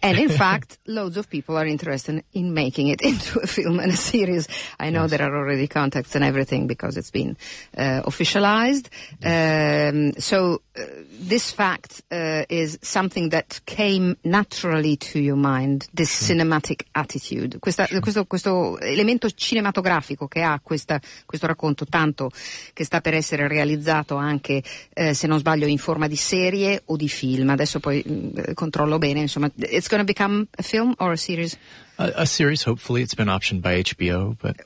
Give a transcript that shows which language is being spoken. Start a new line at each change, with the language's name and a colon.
English: And in fact, loads of people are interested in making it into a film and a series. I know there are already contacts and everything because it's been officialized. So this fact is something that came naturally to your mind, this cinematic attitude.
Italian: Questo elemento cinematografico che ha questo racconto, tanto che sta per essere realizzato anche se non sbaglio in forma di serie o di film. Adesso poi controllo bene, insomma,
English: it's going to become a film or a series? A series, hopefully. It's been optioned by HBO, but